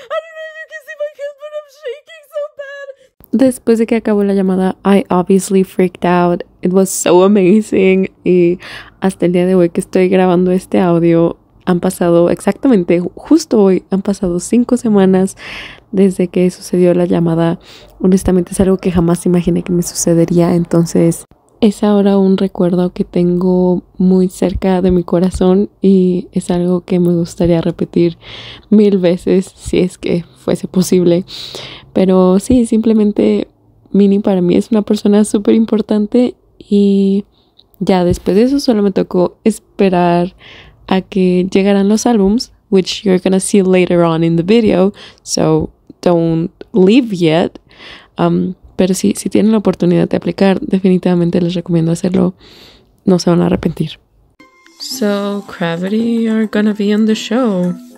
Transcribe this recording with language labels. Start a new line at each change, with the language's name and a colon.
English: I don't know if you can see my hands, but I'm shaking so bad!
Spanish: Después de que acabó la llamada,
English: I obviously freaked out. It was so amazing.
Spanish: Y hasta el día de hoy que estoy grabando este audio, han pasado exactamente, justo hoy, han pasado 5 semanas desde que sucedió la llamada. Honestamente es algo que jamás imaginé que me sucedería. Entonces es ahora un recuerdo que tengo muy cerca de mi corazón y es algo que me gustaría repetir 1000 veces si es que fuese posible. Pero sí, simplemente Mini para mí es una persona súper importante y ya después de eso solo me tocó esperar a que llegaran los álbums,
English: which you're gonna see later on in the video, so don't leave yet.
Spanish: Pero sí, si tienen la oportunidad de aplicar, definitivamente les recomiendo hacerlo. No se van a arrepentir.
English: So, Gravity are gonna be on the show.